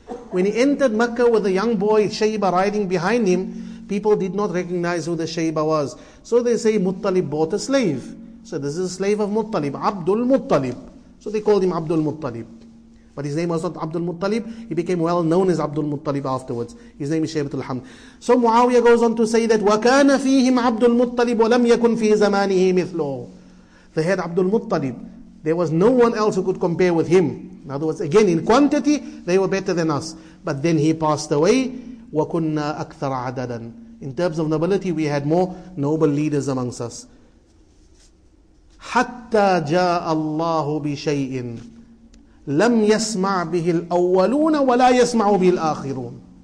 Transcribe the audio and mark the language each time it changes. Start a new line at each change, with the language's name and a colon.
English: When he entered Makkah with a young boy, Shayba, riding behind him, people did not recognize who the Shayba was. So they say Muttalib bought a slave. So this is a slave of Muttalib, Abdul Muttalib. So they called him Abdul Muttalib. But his name was not Abdul Muttalib. He became well known as Abdul Muttalib afterwards. His name is Shaybatul Hamd. So Muawiyah goes on to say that
Arabic: وَكَانَ فِيهِمْ عَبْدُ الْمُطَّلِبُ وَلَمْ يَكُنْ فِي زَمَانِهِ مِثْلُهُ.
English: They had Abdul Muttalib. There was no one else who could compare with him. In other words, again, in quantity, they were better than us. But then he passed away.
Arabic: وَكُنَّا أَكْثَرَ عَدَدًا.
English: In terms of nobility, we had more noble leaders amongst us.
Arabic: حَتَّى جَاءَ اللَّهُ بِشَيْءٍ لَمْ يَسْمَعْ بِهِ الْأَوَّلُونَ وَلَا يَسْمَعُ بِهِ الْآخِرُونَ.